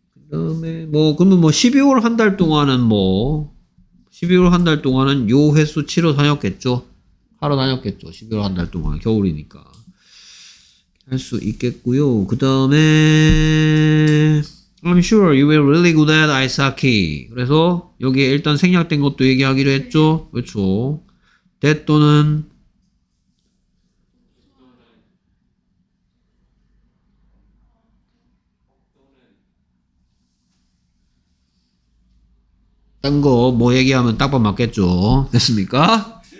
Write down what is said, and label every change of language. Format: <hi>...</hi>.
<ko>그다음에 뭐 그러면 뭐 12월 한 달 동안은 뭐 12월 한 달 동안은 요 횟수 치러 다녔겠죠. 하러 다녔겠죠. 12월 한 달 동안 겨울이니까 할 수 있겠고요. 그 다음에</ko> <en>I'm sure you were really good at ice hockey.</en> <ko>그래서 여기에 일단 생략된 것도 얘기하기로 했죠. 그렇죠. That 또는 딴 거 뭐 얘기하면 딱 밥 맞겠죠. 됐습니까?</ko>